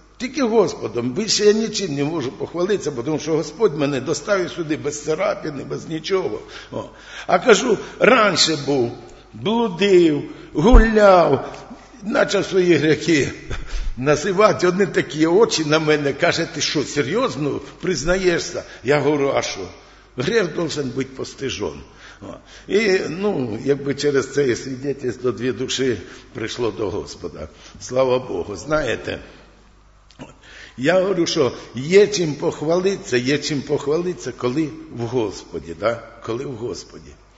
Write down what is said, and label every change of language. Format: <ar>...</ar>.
<uk>Тільки Господом, більше я нічим не можу похвалитися, бо тому що Господь мене доставив сюди без царапини, без нічого. А кажу, раніше був, блудив, гуляв, почав свої гріхи називати, одні такі очі на мене, каже, ти що, серйозно признаєшся? Я говорю, а що?</uk> <ru>Грех должен бути постижен.</ru> <uk>І, ну, якби через це свідчення дві душі прийшло до Господа. Слава Богу. Знаєте, я говорю, що є чим похвалитися, коли в Господі. Да? Коли в Господі.</uk>